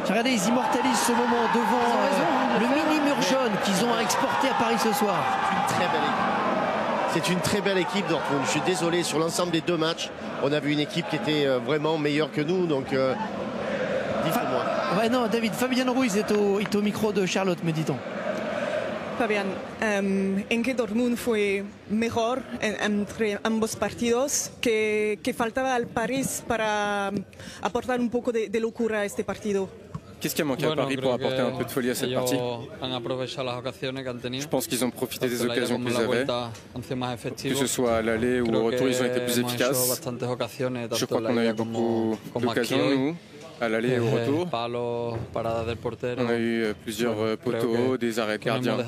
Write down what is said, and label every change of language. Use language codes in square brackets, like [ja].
[fr] Regardez, ils immortalisent ce moment devant le mini mur jaune qu'ils ont à exporter à Paris ce soir. C'est une très belle équipe Dortmund. Je suis désolé, sur l'ensemble des deux matchs, on a vu une équipe qui était vraiment meilleure que nous. Donc, dites-moi. Ouais, non, David, Fabian Ruiz est au micro de Charlotte, me dit-on. [es] Fabian, ¿en qué Dortmund fue mejor entre ambos partidos? ¿Qué faltaba al París para aportar un poco de locura a este partido? [fr] Qu'est-ce qui a manqué à Paris pour apporter un peu de folie à cette partie? Je pense qu'ils ont profité des occasions qu'ils avaient. Que ce soit à l'aller ou au retour, ils ont été plus efficaces. Je crois qu'on a eu beaucoup d'occasions, nous, à l'aller et au retour. On a eu plusieurs poteaux, des arrêts gardiens.